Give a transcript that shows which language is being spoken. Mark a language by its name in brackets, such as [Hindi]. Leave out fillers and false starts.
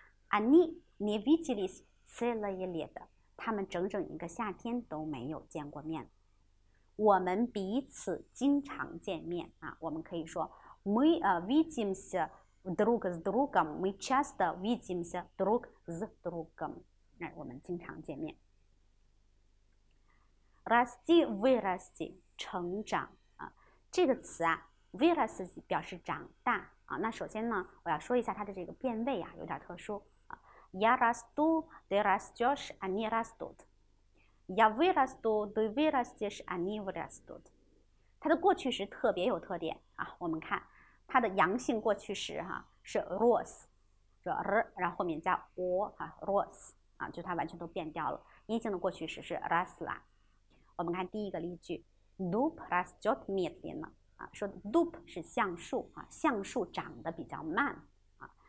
[Russian] они не виделись целое лето。 [Chinese] 他们整整一个夏天都没有见过面，我们彼此经常见面啊，我们可以说 [Russian] мы видимся друг с другом, мы часто видимся друг с другом, [Chinese] 那我们经常见面。 расти, вырасти, 成长啊，这个词啊 вырасти 表示长大啊，那首先呢我要说一下它的这个变位啊有点特殊。 [Russian] Я расту, ты растешь, они растут. Я вырасту, ты вырастешь, они вырастут. [Chinese] 它的过去时特别有特点啊，我们看它的阳性过去时哈、啊、是 рос， 是 р， 然后后面加 о 啊 рос 啊，就它完全都变掉了。阴性的过去时是 росла。我们看第一个例句 ， [Russian] дуб растет медленно [Chinese] 啊，说 дуб 是橡树啊，橡树长得比较慢啊。